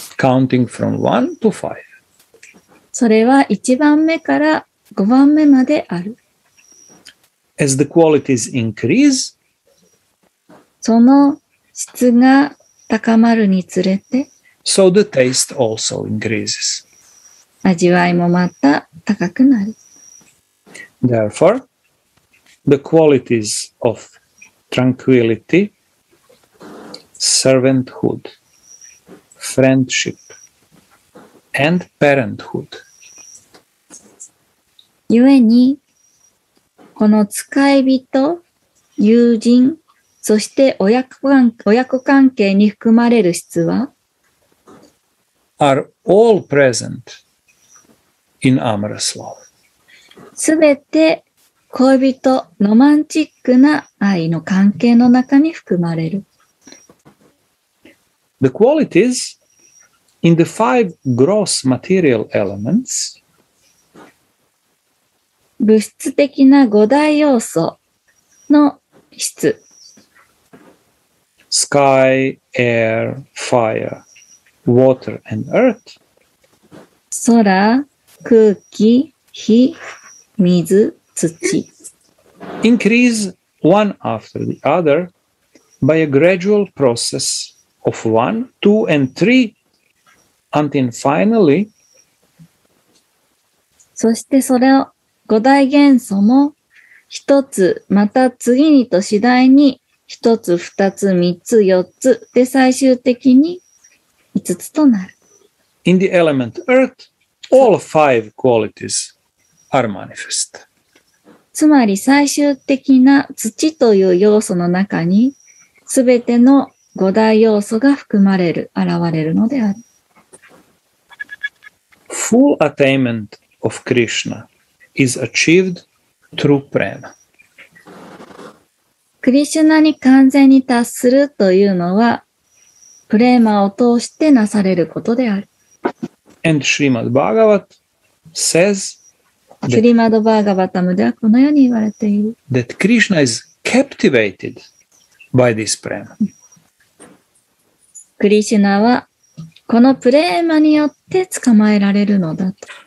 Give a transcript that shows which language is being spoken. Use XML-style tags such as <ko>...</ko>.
<en>Counting from one to five.</en> <ja>それは1番目から5番目まである。</ja> <en>As the qualities increase,</en> <ja>その質が高まるにつれて、</ja> <en>So the taste also increases.</en> <ja>味わいもまた高くなる。</ja> <en>Therefore, the qualities of tranquility, servanthood, friendship, and parenthood.</en> <ja>ゆえに、この使い人、友人、そして親子関係に含まれる質は</ja> <en>are all present in amorous love.</en> <ja>すべて恋人、ロマンチックな愛の関係の中に含まれる。</ja> <en>The qualities in the five gross material elements</en> <ja>物質的な五大要素の質</ja> <en>Sky, air, fire, water, and earth.</en> <ja>空、空気、火、水、土。</ja> <en>Increase one after the other by a gradual process of one, two, and three, until finally.</en> <ja>そしてそれを五大元素も一つまた次にと次第に一つ、二つ、三つ、四つで最終的に五つとなる。</ja> <en>In the element earth, all five qualities are manifest.</en> <ja>つまり最終的な土という要素の中に全ての五大要素が含まれる、現れるのである。</ja> <en>Full attainment of Krishna is achieved through prema.</en> <ja>クリシュナに完全に達するというのは、プレーマを通してなされることである。</ja> <en>And Srimad Bhagavat says</en> <ja>シュリマドバーガバタムではこのように言われている。</ja> <en>That Krishna is captivated by this prema.</en> <ja>クリシュナはこのプレーマによって捕まえられるのだと。</ja>